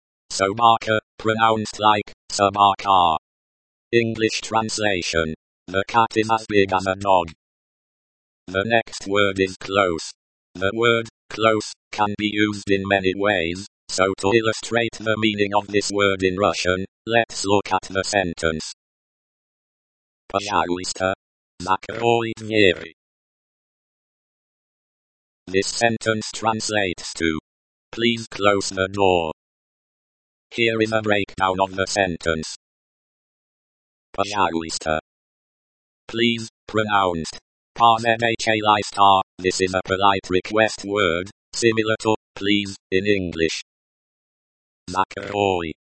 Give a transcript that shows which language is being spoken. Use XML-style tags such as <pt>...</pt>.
<en>Собака, pronounced like, собака. English translation. The cat is as big as a dog. The next word is close. The word, close, can be used in many ways, so to illustrate the meaning of this word in Russian, let's look at the sentence.</en> <ru>Пожалуйста, закрой двери.</ru> <en>This sentence translates to, please close the door. Here is a breakdown of the sentence. Пожалуйста. Please, pronounced. Par-mh-a-li-star, this is a polite request word, similar to, please, in English. Закрой.</en>